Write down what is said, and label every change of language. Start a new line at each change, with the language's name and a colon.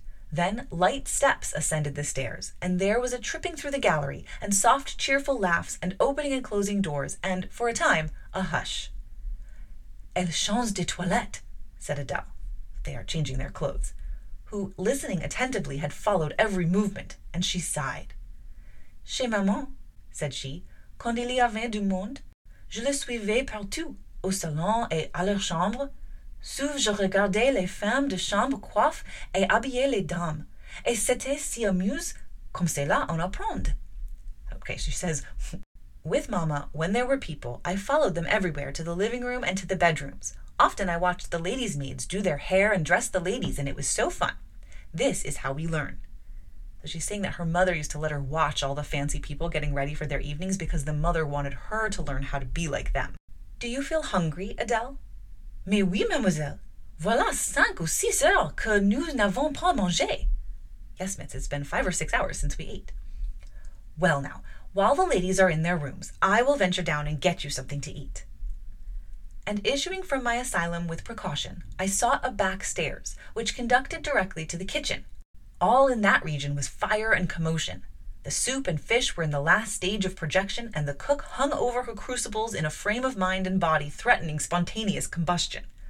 English: Then light steps ascended the stairs, and there was a tripping through the gallery, and soft, cheerful laughs, and opening and closing doors, and, for a time, a hush.
French: "Elle change de toilette,"
English: said Adèle. "They are changing their clothes," who, listening attentively, had followed every movement, and she sighed.
French: "Chez maman,"
English: said she,
French: "quand il y avait du monde, je le suivais partout, au salon et à leur chambre. Souvent je regardais les femmes de chambre coiffe et habiller les dames, et c'était si amuse comme cela en apprendre."
English: Okay, she says, "With mama, when there were people, I followed them everywhere to the living room and to the bedrooms. Often I watched the ladies' maids do their hair and dress the ladies, and it was so fun. This is how we learn." So she's saying that her mother used to let her watch all the fancy people getting ready for their evenings because the mother wanted her to learn how to be like them. "Do you feel hungry, Adèle?"
French: "Mais oui, mademoiselle. Voilà 5 ou 6 heures que nous n'avons pas mangé."
English: "Yes, miss, it's been 5 or 6 hours since we ate." "Well now, while the ladies are in their rooms, I will venture down and get you something to eat." And issuing from my asylum with precaution, I sought a back stairs, which conducted directly to the kitchen. All in that region was fire and commotion. The soup and fish were in the last stage of projection, and the cook hung over her crucibles in a frame of mind and body threatening spontaneous combustion.